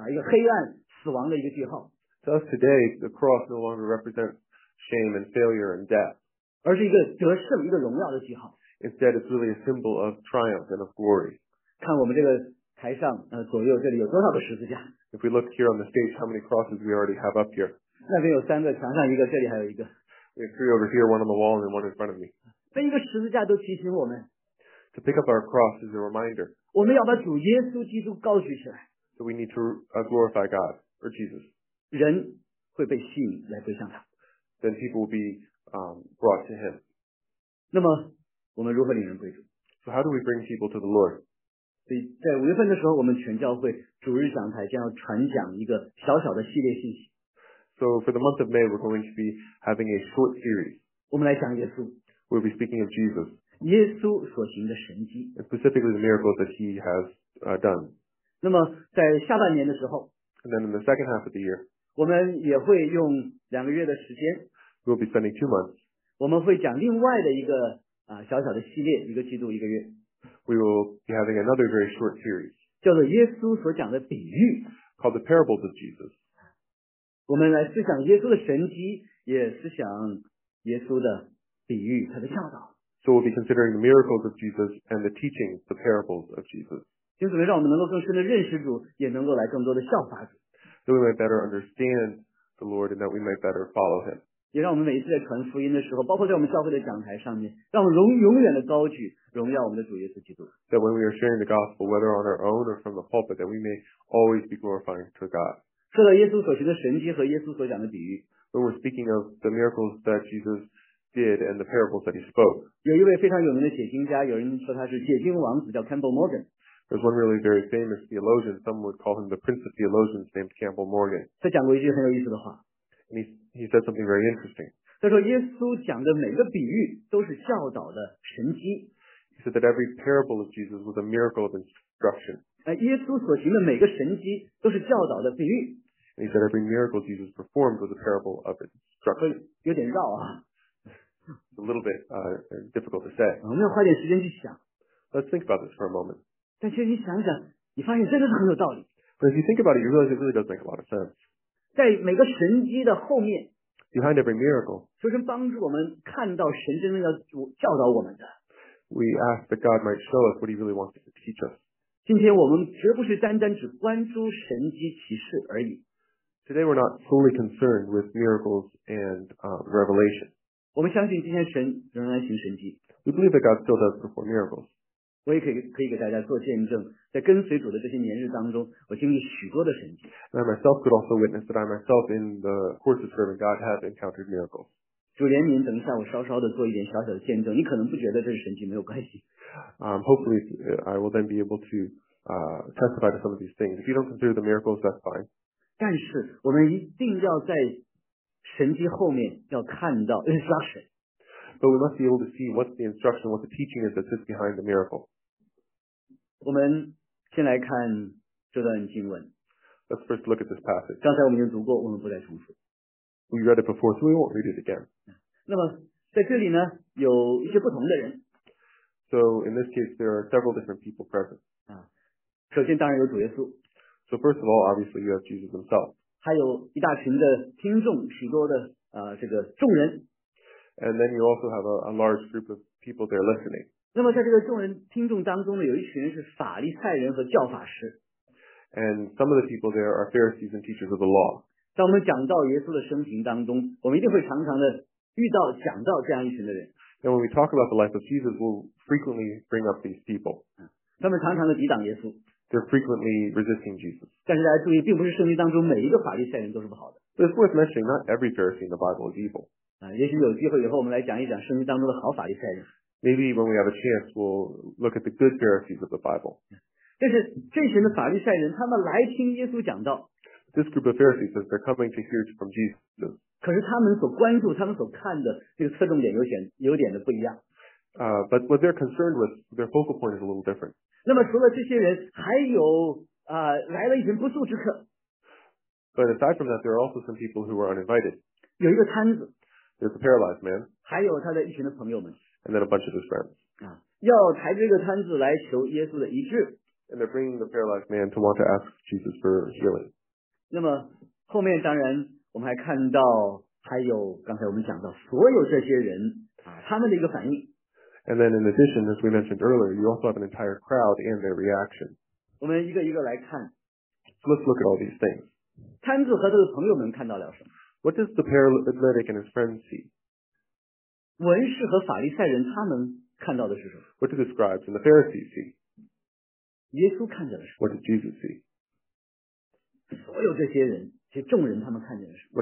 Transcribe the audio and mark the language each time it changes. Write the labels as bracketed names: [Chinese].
[Chinese] 今天对我们来说，十字架已经不再是一个羞辱、失败，一个黑暗、死亡的一个记号。 [English] To us today, the cross no longer represents shame and failure and death. [Chinese] 而是一个得胜、一个荣耀的记号。 [English] Instead, it's really a symbol of triumph and of glory. [Chinese] 看我们这个台上，左右这里有多少个十字架。 [English] If we look here on the stage, how many crosses we already have up here? [Chinese] 那边有三个，墙上一个，这里还有一个。 [English] We have three over here, one on the wall and one in front of me. [Chinese] 每一个十字架都提醒我们。 [English] To pick up our cross is a reminder. [Chinese] 我们要把主耶稣基督高举起来。 [English] So we need to glorify God, or Jesus. [Chinese] 人会被吸引来归向他。 [English] Then people will be brought to him. [Chinese] 那么我们如何领人归主？ [English] So how do we bring people to the Lord? [Chinese] 所以在五月份的时候，我们全教会主日讲台将要传讲一个小小的系列信息。 [English] So for the month of May, we're going to be having a short series. [Chinese] 我们来讲耶稣。 [English] We'll be speaking of Jesus. [Chinese] 耶稣所行的神迹。 [English] Specifically the miracles that he has done. [Chinese] 那么在下半年的时候。 [English] And then in the second half of the year. [Chinese] 我们也会用两个月的时间。 [English] We'll be spending 2 months. [Chinese] 我们会讲另外的一个小小的系列，一个季度一个月。 [English] We will be having another very short series. [Chinese] 叫做耶稣所讲的比喻。 [English] Called the parables of Jesus. [Chinese] 我们来思想耶稣的神迹，也思想耶稣的比喻，他的教导。 [English] So we'll be considering the miracles of Jesus and the teachings, the parables of Jesus. [Chinese] 因此，让我们能够更深的认识主，也能够来更多的效法主。 [English] So we might better understand the Lord, and that we might better follow Him. [Chinese] 也让我们每一次在传福音的时候，包括在我们教会的讲台上面，让我们永远的高举，荣耀我们的主耶稣基督。 [English] That when we are sharing the gospel, whether on our own or from the pulpit, that we may always be glorifying to God. [Chinese] 说到耶稣所行的神迹和耶稣所讲的比喻。 [English] When we're speaking of the miracles that Jesus did and the parables that he spoke. [Chinese] 有一位非常有名的解经家，有人说他是解经王子，叫 Campbell Morgan. [English] There's one really very famous theologian. Some would call him the prince of theologians, named Campbell Morgan. [Chinese] 他讲过一句很有意思的话。 [English] And he said something very interesting. [Chinese] 他说耶稣讲的每个比喻都是教导的神迹。 [English] He said that every parable of Jesus was a miracle of instruction. [Chinese] 耶稣所行的每个神迹都是教导的比喻。 [English] And he said every miracle Jesus performed was a parable of instruction. [Chinese] 有点绕啊。 [English] It's a little bit difficult to say. [Chinese] 我们要花点时间去想。 [English] Let's think about this for a moment. [Chinese] 但其实你想想，你发现真的是很有道理。 [English] But if you think about it, you realize it really does make a lot of sense. [Chinese] 在每个神迹的后面。 [English] Behind every miracle. [Chinese] 求神帮助我们看到神真正要教导我们的。 [English] We ask that God might show us what he really wants to teach us. [Chinese] 今天我们绝不是单单只关注神迹奇事而已。 [English] Today we're not fully concerned with miracles and revelation. [Chinese] 我们相信今天神仍然行神迹。 [English] We believe that God still does perform miracles. [Chinese] 我也可以给大家做见证，在跟随主的这些年日当中，我经历许多的神迹。 [English] And I myself could also witness that I myself, in the course of serving God, have encountered miracles. [Chinese] 主怜悯，等一下我稍稍的做一点小小的见证，你可能不觉得这是神迹，没有关系。 [English] Hopefully, I will then be able to testify to some of these things. If you don't consider the miracles, that's fine. [Chinese] 但是我们一定要在神迹后面要看到 instruction. [English] But we must be able to see what's the instruction, what the teaching is that sits behind the miracle. [Chinese] 我们先来看这段经文。 [English] Let's first look at this passage. [Chinese] 刚才我们已经读过，我们不再重复。 [English] We read it before, so we won't read it again. [Chinese] 那么在这里呢，有一些不同的人。 [English] So in this case, there are several different people present. [Chinese] 首先当然有主耶稣。 [English] So first of all, obviously you have Jesus himself. [Chinese] 还有一大群的听众，许多的这个众人。 [English] And then you also have a large group of people there listening. [Chinese] 那么在这个众人听众当中呢，有一群是法利赛人和教法师。 [English] And some of the people there are Pharisees and teachers of the law. [Chinese] 在我们讲到耶稣的生平当中，我们一定会常常的遇到讲到这样一群的人。 [English] And when we talk about the life of Jesus, we'll frequently bring up these people. [Chinese] 他们常常的抵挡耶稣。 [English] They're frequently resisting Jesus. [Chinese] 但是大家注意，并不是圣经当中每一个法利赛人都是不好的。 [English] But it's worth mentioning, not every Pharisee in the Bible is evil. [Chinese] 也许有机会以后我们来讲一讲圣经当中的好法利赛人。 [English] Maybe when we have a chance, we'll look at the good Pharisees of the Bible. [Chinese] 但是这群的法利赛人，他们来听耶稣讲道。 [English] This group of Pharisees says they're coming to hear from Jesus. [Chinese] 可是他们所关注，他们所看的这个侧重点有点的不一样。 [English] But what they're concerned with, their focal point is a little different. [Chinese] 那么除了这些人，还有来了一群不速之客。 [English] But aside from that, there are also some people who are uninvited. [Chinese] 有一个瘫子。 [English] There's a paralyzed man. [Chinese] 还有他的一群的朋友们。 [English] And then a bunch of his friends. [Chinese] 要抬着一个瘫子来求耶稣的医治。 [English] And they're bringing the paralyzed man to want to ask Jesus for healing. [Chinese] 那么后面当然我们还看到还有刚才我们讲到所有这些人他们的一个反应。 [English] And then in addition, as we mentioned earlier, you also have an entire crowd and their reaction. [Chinese] 我们一个一个来看。 [English] So let's look at all these things. [Chinese] 瘫子和他的朋友们看到了什么？ [English] What does the paralytic and his friends see? [Chinese] 文士和法利赛人他们看到的是什么？ [English] What do the scribes and the Pharisees see? [Chinese] 耶稣看见了什么？ [English] What did Jesus see? [Chinese] 所有这些人，这些众人他们看见了什么？